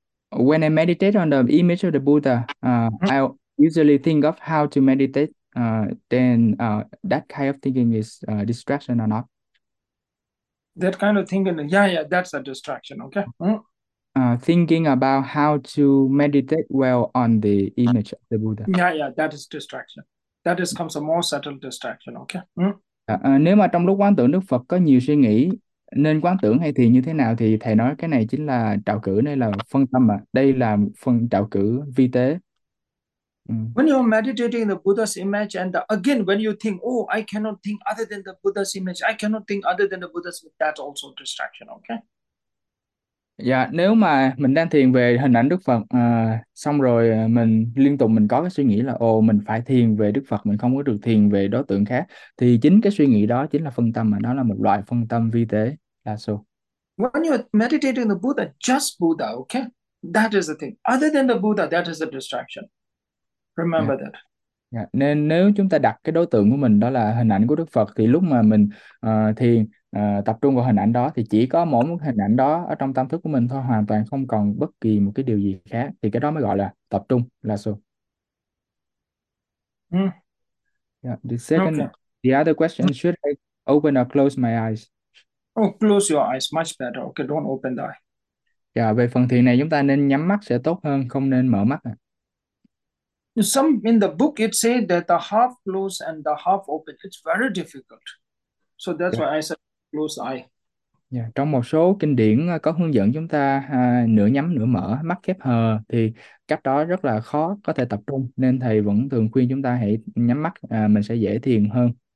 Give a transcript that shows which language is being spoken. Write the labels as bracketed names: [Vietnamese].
[English] When I meditate on the image of the Buddha, I usually think of how to meditate, then that kind of thinking is distraction or not? That kind of thing, and that's a distraction. Okay. Thinking about how to meditate well on the image of the Buddha. That is distraction. That is comes a more subtle distraction. Okay. [Vietnamese] Nếu mà trong lúc quán tưởng Đức Phật có nhiều suy nghĩ Nên quán tưởng hay thiền như thế nào thì thầy nói cái này chính là trạo cử, đây là phân tâm ạ. Đây là phần trạo cử vi tế. [English] When you're meditating the Buddha's image and again when you think, oh, I cannot think other than the Buddha's image, I cannot think other than the Buddha's, that's also distraction, okay? [Vietnamese] Dạ, nếu mà mình đang thiền về hình ảnh Đức Phật, xong rồi mình liên tục mình có cái suy nghĩ là ồ mình phải thiền về Đức Phật, mình không có được thiền về đối tượng khác, thì chính cái suy nghĩ đó chính là phân tâm, mà nó là một loại phân tâm vi tế đa số. [English] When you're meditating the Buddha, just Buddha, okay? That is the thing. Other than the Buddha, that is a distraction. Remember that. [Vietnamese] Dạ. Nên nếu chúng ta đặt cái đối tượng của mình đó là hình ảnh của Đức Phật, thì lúc mà mình thiền tập trung vào hình ảnh đó thì chỉ có mỗi một hình ảnh đó ở trong tâm thức của mình thôi, hoàn toàn không còn bất kỳ một cái điều gì khác, thì cái đó mới gọi là tập trung là số. [English] Yeah, the second, Okay. the other question, should I open or close my eyes? Oh, close your eyes, much better. Okay, don't open the eye. [Vietnamese] Yeah, về phần thiền này chúng ta nên nhắm mắt sẽ tốt hơn, không nên mở mắt à. [English] Some in the book it said that the half close and the half open, it's very difficult. So that's why I said close the eye. Yeah. [Vietnamese] Trong một số kinh điển có hướng dẫn chúng ta nửa nhắm nửa mở, mắt khép hờ, thì cách đó rất là khó có thể tập trung, nên thầy vẫn thường khuyên chúng ta hãy nhắm mắt, mình sẽ dễ thiền hơn.